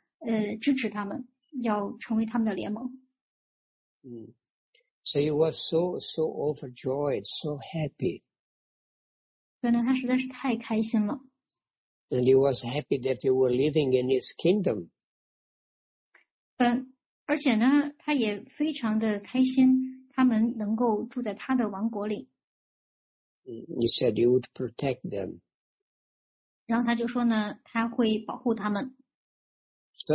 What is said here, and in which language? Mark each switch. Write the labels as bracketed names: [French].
[Chinese] 朱伯特对于这个所作所为呢感到十分的愤怒。朱伯特他听到Yudhishthira的这番解释之后呢，他就感到非常的愤怒，他立刻就表示说呢，他要支持他们，要成为他们的联盟。 [English] So he was so overjoyed, so happy. [Chinese] 对呢，他实在是太开心了。 [English] And he was happy that he were living in his kingdom. [Chinese] 而且呢，他也非常的开心，他们能够住在他的王国里。He [English] said he would protect them. [Chinese] 然后他就说呢，他会保护他们。So